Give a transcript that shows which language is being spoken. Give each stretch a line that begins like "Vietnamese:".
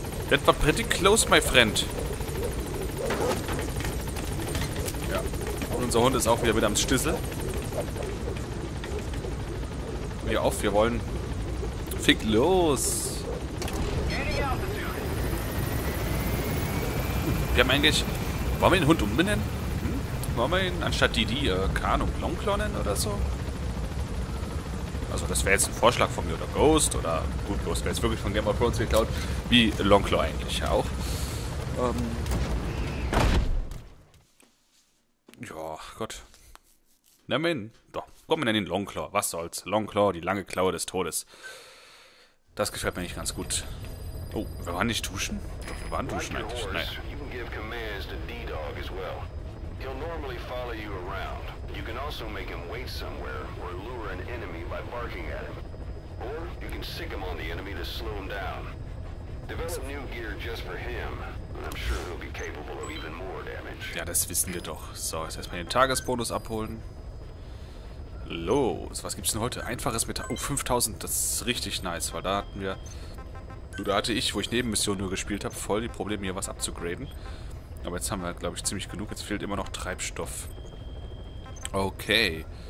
English: That was pretty close, my friend.
German: Ja. Unser Hund ist auch wieder mit am Schlüssel. Hier auf, wir wollen. Fick los! Wir haben eigentlich. Wollen wir den Hund umbenennen? Hm? Wollen wir ihn anstatt Didi Kahn und Longclaw nennen oder so? Also, das wäre jetzt ein Vorschlag von mir oder Ghost oder. Gut, Ghost wäre jetzt wirklich von Game of Thrones geklaut. Wie Longclaw eigentlich auch. Ja, Gott. Nennen wir ihn. Doch, komm, wir nennen ihn Longclaw. Was soll's? Longclaw, die lange Klaue des Todes. Das gefällt mir nicht ganz gut. Oh, wir waren nicht duschen? Doch, wir waren duschen eigentlich. Naja.
English: Give commands to D-Dog as well. He'll normally follow you around. You can also make him wait somewhere or lure an enemy by barking at him. Or you can sick him on the enemy to slow him down. Develop new gear just for him, and I'm sure he'll be capable of even more damage.
German: Ja, das wissen wir doch. So, jetzt erstmal den Tagesbonus abholen. Los, was gibt's denn heute? Einfaches Metall. Oh, 5000, das ist richtig nice, weil da hatten wir. Da hatte ich, wo ich Nebenmission nur gespielt habe, voll die Probleme, hier was abzugraden. Aber jetzt haben wir, glaube ich, ziemlich genug. Jetzt fehlt immer noch Treibstoff. Okay.